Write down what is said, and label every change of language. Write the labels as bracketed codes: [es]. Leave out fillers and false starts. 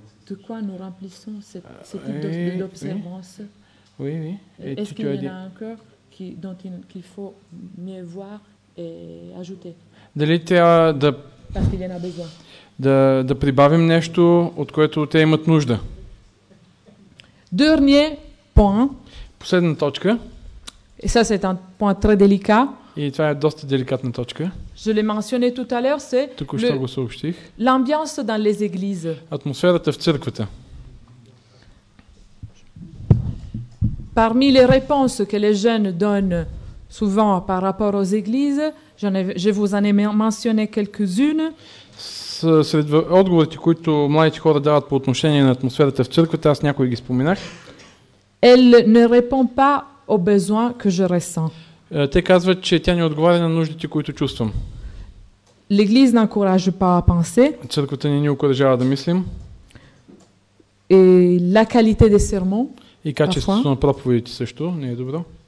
[fr] De quoi nous remplissons cette d'observance? Oui, oui. Est-ce qu'il y en a encore qu'il faut mieux voir et ajouter? [bg] Дали трябва да [fr] parce qu'il y en a besoin. [bg] Да прибавим нещо, от което те имат нужда. [fr] Dernier point. [bg] Последна точка. [fr] Et ça c'est un point très délicat. [bg] И това е доста деликатна точка. [fr] Je l'ai mentionné tout à l'heure, c'est l'ambiance dans les églises. [bg] Атмосферата в църквата. [fr] Parmi les réponses que les jeunes donnent souvent par rapport aux églises, je vous en ai mentionné quelques-unes. [bg] Сред отговорите, които младите хора дават по отношение на атмосферата в църквата, аз някои ги споменах. [fr] Elle ne répond pas aux besoins que je ressens. [bg] Те казват, че тя не отговаря на нуждите, които чувствам. [fr] L'église n'encourage pas à penser. [bg] Църквата не ни окуражава да мислим. [fr] Et la qualité des sermons. [bg] И качеството на проповедите също не е добро.